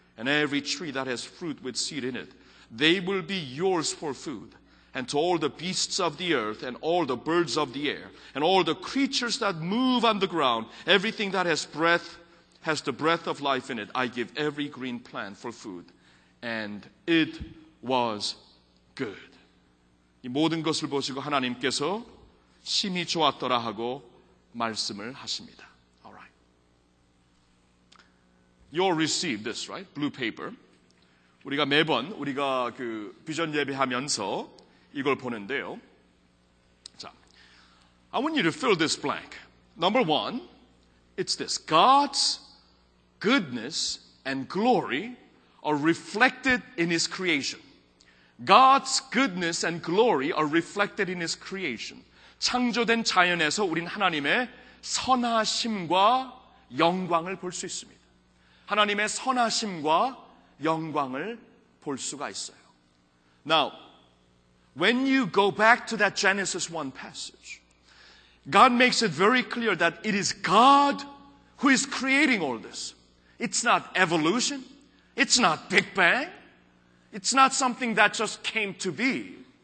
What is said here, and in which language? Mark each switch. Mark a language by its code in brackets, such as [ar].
[en] And every tree that has fruit with seed in it, they will be yours for food. And to all the beasts of the earth and all the birds of the air and all the creatures that move on the ground, everything that has breath, has the breath of life in it, I give every green plant for food. And it was good. [ko] 이 모든 것을 보시고 하나님께서 심히 좋았더라 하고 말씀을 하십니다. [en] You all receive this, right? Blue paper. [ko] 우리가 매번 우리가 그 비전 예배하면서 이걸 보는데요. [en] 자, I want you to fill this blank. Number one, it's this. God's goodness and glory are reflected in His creation. God's goodness and glory are reflected in His creation. [ko] 창조된 자연에서 우린 하나님의 선하심과 영광을 볼 수 있습니다. 하나님의 선하심과 영광을 볼 수가 있어요. [en] Now, when you go back to that Genesis 1 passage, God makes it very clear that it is God who is creating all this. It's not evolution. It's not Big Bang. It's not something that just came to be.